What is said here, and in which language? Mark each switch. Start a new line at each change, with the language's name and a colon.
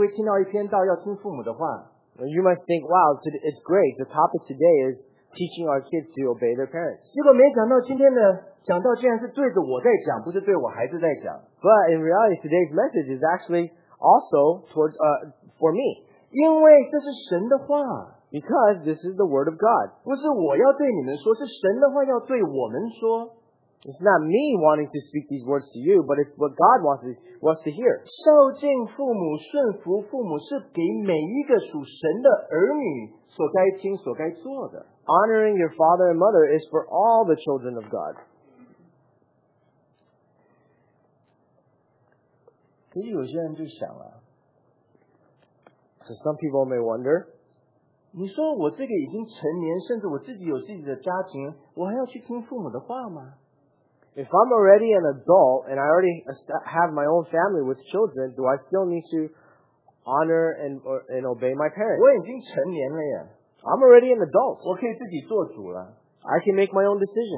Chinese: 那你想，今天太好了，我的孩子会听到一篇道，要听父母的话。
English: You must think, wow, it's great. The topic today is teaching our kids to obey their parents.
Chinese: 结果没想到今天的讲道竟然是对着我在讲，不是对我孩子在讲。
English: But in reality, today's message is actually also towards for me.
Chinese: 因为这是神的话。
English: Because this is the word of God.
Chinese: 不是我要对你们说, 是神的话要对我们说。
English: It's not me wanting to speak these words to you, but it's what God wants to hear.
Chinese: 受敬父母顺服父母是给每一个属神的儿女所该听所该做的。
English: Honoring your father and mother is for all the children of God.
Chinese: 可是有些人就想了,
English: so some people may wonder,
Chinese: 你说我这个已经成年,甚至我自己有自己的家庭,我还要去听父母的话吗?
English: If I'm already an adult and I already have my own family with children, do I still need to honor and obey my parents?
Chinese: 我已经成年了耶。
English: I'm already an adult.
Chinese: 我可以自己做主了。
English: I can make my own decision.